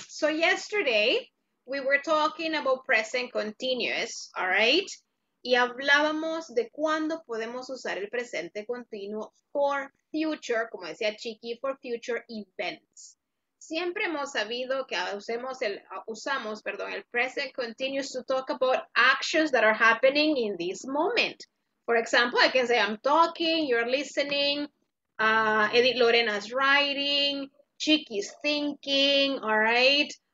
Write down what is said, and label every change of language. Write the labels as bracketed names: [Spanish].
[English] So yesterday we were talking about present continuous, all right? [Spanish] Y hablábamos de cuándo podemos usar el presente continuo [English] for future, [Spanish] como decía Chiqui, [English] for future events. [Spanish] Siempre hemos sabido que usamos, perdón, el [English] present continuous to talk about actions that are happening in this moment. For example, I can say I'm talking, you're listening, Edith Lorena's writing, Chiqui's thinking, all right.